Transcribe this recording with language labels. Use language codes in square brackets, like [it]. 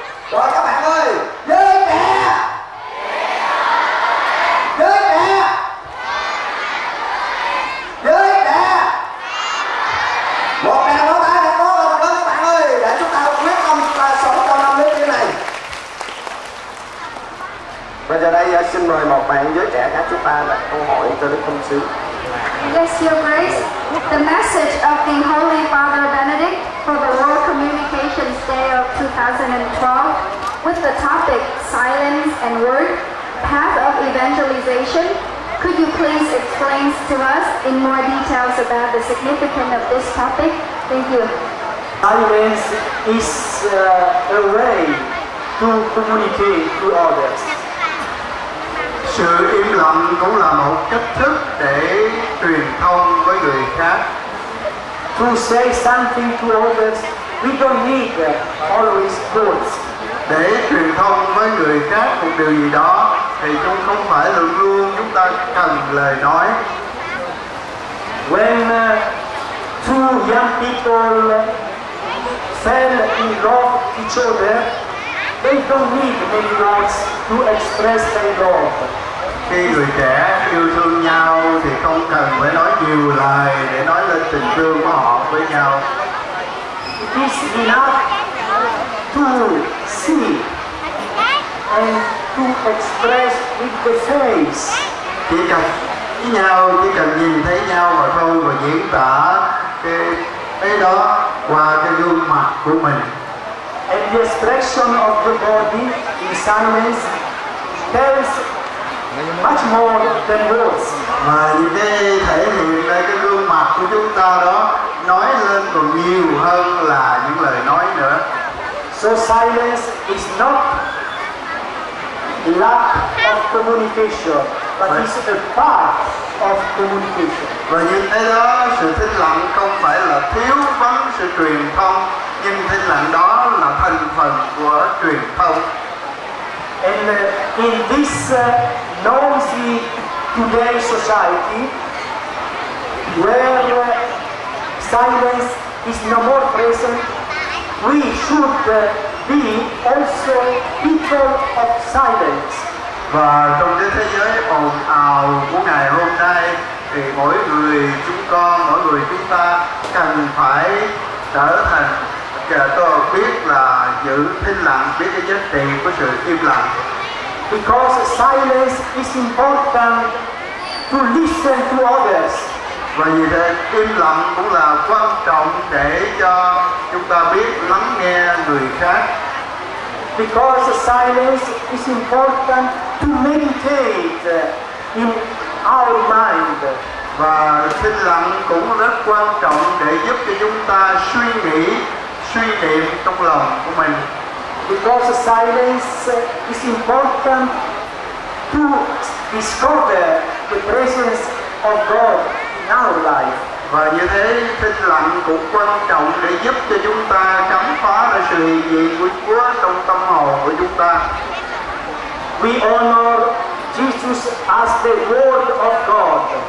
[vi] Rồi các bạn ơi, giới trẻ, giới trẻ, giới trẻ, một ngày nó tay thật to và thật lớn các bạn ơi, để chúng ta quyết tâm ta sống trong năm nước như này. Bây giờ đây xin mời một bạn giới trẻ khác chúng ta đặt câu hỏi cho Đức Công Sứ. [en] Yes, Your Grace, the message of the Holy Father Benedict for the World Communications Day of 2012 with the topic Silence and Word, Path of Evangelization. Could you please explain to us in more details about the significance of this topic? Thank you. Silence is a way to communicate to others. [vi] Sự im lặng cũng là một cách thức để truyền thông với người khác. [en] To say something to others, we don't need always words. [vi] Để truyền thông với người khác một điều gì đó, thì cũng không phải luôn luôn chúng ta cần lời nói. [en] When two young people fell in love each other, they don't need many words to express their love. [vi] Khi người trẻ yêu thương nhau thì không cần phải nói nhiều lời để nói lên tình thương của họ với nhau. [en] It is enough to see and to express with the face. [vi] Chỉ cần với nhau, chỉ cần nhìn thấy nhau mà thôi và diễn tả cái đó qua cái gương mặt của mình. [en] And the expression of the body in silence tells much more than words. [vi] Và những cái thể hiện lên cái gương mặt của chúng ta đó nói lên còn nhiều hơn là những lời nói nữa. [en] So silence is not lack of communication, but it's a part of communication. [vi] Và như thế đó, sự thinh lặng không phải là thiếu vắng sự truyền thông, nhưng thinh lặng đó là thành phần của truyền thông. [en] And in this noisy today society, where silence is no more present, we should be also people of silence. [vi] Và trong cái thế giới ồn ào của ngày hôm nay, thì mỗi người chúng con, mỗi người chúng ta cần phải trở thành kẻ tôi biết là giữ thinh lặng, biết cái giá trị của sự im lặng. [en] Because silence is important to listen to others. [vi] Và vì thế im lặng cũng là quan trọng để cho chúng ta biết lắng nghe người khác. [en] Because silence is important to meditate in our mind. [vi] Và thinh lặng cũng rất quan trọng để giúp cho chúng ta suy nghĩ, suy niệm trong lòng của mình. [en] Because silence is important to discover the presence of God in our life. [vi] Và như thế, thinh lặng cũng quan trọng để giúp cho chúng ta khám phá ra sự hiện diện của Chúa trong tâm hồn của chúng ta. [en] We honor Jesus as the Word of God.